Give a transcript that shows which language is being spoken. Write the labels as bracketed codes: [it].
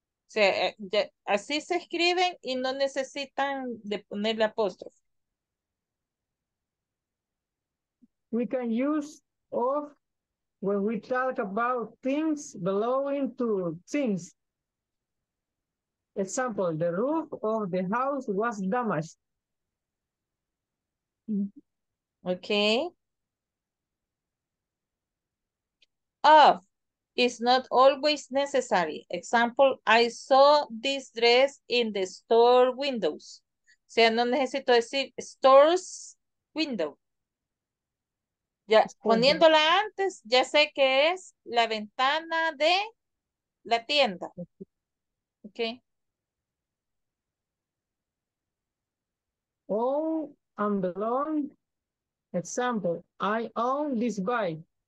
[es] O sea, ya, así se escriben y no necesitan de ponerle apóstrofe. [en] We can use of when we talk about things belonging to things. Example, the roof of the house was damaged. Okay. Of is not always necessary. Example, I saw this dress in the store windows. [es] O sea, no necesito decir [en] store's window. [es] Ya, poniéndola antes, ya sé que es la ventana de La tienda. Okay. [en] Own and belong. Example, I own this bike.